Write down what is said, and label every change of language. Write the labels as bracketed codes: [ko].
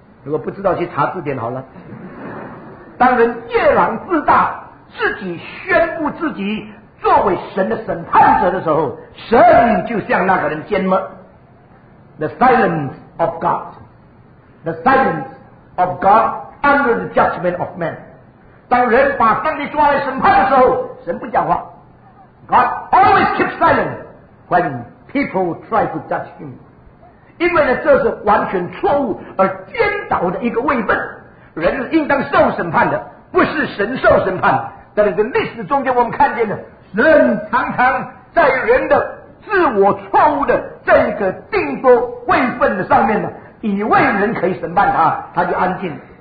[zh] 如果不知道去查字典好了。当人夜郎自大，自己宣布自己作为神的审判者的时候，神就向那个人缄默。 [en] The silence of God, the silence of God under the judgment of man。 [zh] 当人把上帝抓来审判的时候，神不讲话。 [en] God always keeps silent when people try to judge him。 [zh] 因为呢，这是完全错误而颠倒的一个位分，人应当受审判的，不是神受审判。但是在历史中间我们看见的，人常常在人的自我错误的这个定夺位分的上面呢，以为人可以审判他，他就安静。